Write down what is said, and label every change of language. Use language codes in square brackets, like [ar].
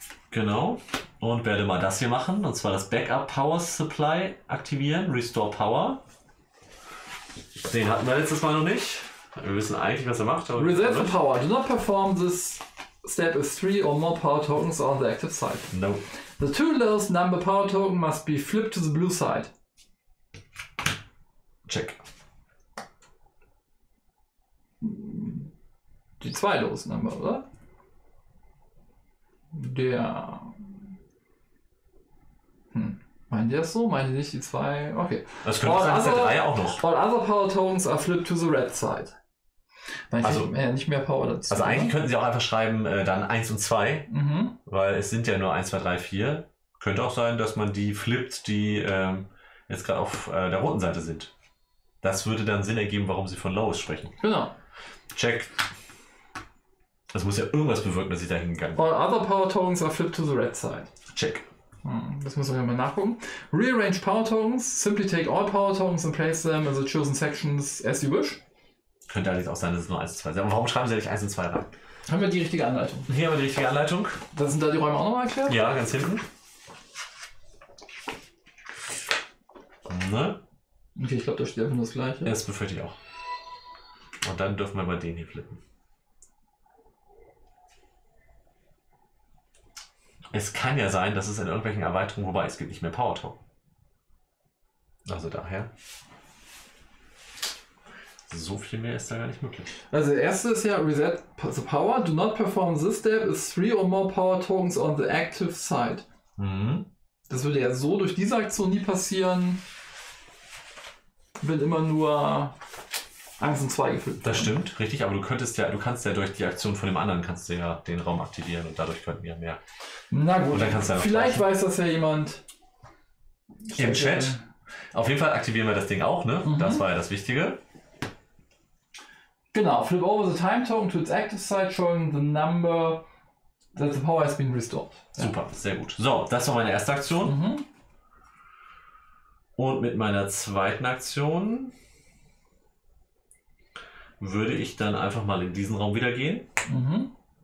[de] Genau. Und werde mal das hier machen, und zwar das Backup Power Supply aktivieren, Restore Power. Den hatten wir letztes Mal noch nicht. Wir wissen eigentlich, was er macht, aber wir Reserve kommen [en] the power. Do not perform this step as three or more power tokens on the active side. No. The two lowest number power token must be flipped to the blue side. Check. [de] Die zwei [en] lowest number, [de] oder? Der. Meint ihr es so? Meint ihr nicht die zwei? Okay. Das könnte sein, dass der 3 auch noch. [en] All other power tokens are flipped to the red side. [de] Nein, also nicht mehr Power dazu. Also eigentlich könnten sie auch einfach schreiben, dann 1 und 2, weil es sind ja nur 1, 2, 3, 4. Könnte auch sein, dass man die flippt, die jetzt gerade auf der roten Seite sind. Das würde dann Sinn ergeben, warum sie von Lowest sprechen. Genau. Check. Das muss ja irgendwas bewirken, dass ich da hingegangen [en] bin. All other Power Tokens are flipped to the red side. Check. [de] Das muss ich ja mal nachgucken. Rearrange Power Tokens. [en] Simply take all Power Tokens and place them in the chosen sections as you wish. [de] Könnte eigentlich auch sein, dass es nur 1 und 2 sind. Aber warum schreiben sie nicht 1 und 2 rein? Haben wir die richtige Anleitung? Hier haben wir die richtige Anleitung. Da sind da die Räume auch nochmal erklärt? Ja, ganz hinten. Ne? Okay, ich glaube, da steht einfach nur das Gleiche. Das befürchte ich auch. Und dann dürfen wir bei denen hier flippen. Es kann ja sein, dass es in irgendwelchen Erweiterungen, wobei es gibt nicht mehr Power Token. Also daher. So viel mehr ist da gar nicht möglich. Also der erste ist ja [en] Reset the Power. Do not perform this step if 3 or more Power Tokens on the active side. Mhm. [de] Das würde ja so durch diese Aktion nie passieren, wenn immer nur 1 und 2 gefüllt werden. Das stimmt, richtig, aber du kannst ja durch die Aktion von dem anderen kannst du ja den Raum aktivieren und dadurch könnten wir mehr. Na gut, dann kannst du ja vielleicht weiß das ja jemand im Chat. Ja. Auf jeden Fall aktivieren wir das Ding auch, ne? Mhm. Das war ja das Wichtige. [en] Genau, flip over the time token to its active side, showing the number that the power has been restored. [de] Ja. Super, sehr gut. So, das war meine erste Aktion. Mhm. Und mit meiner zweiten Aktion würde ich dann einfach mal in diesen Raum wieder gehen. Mhm.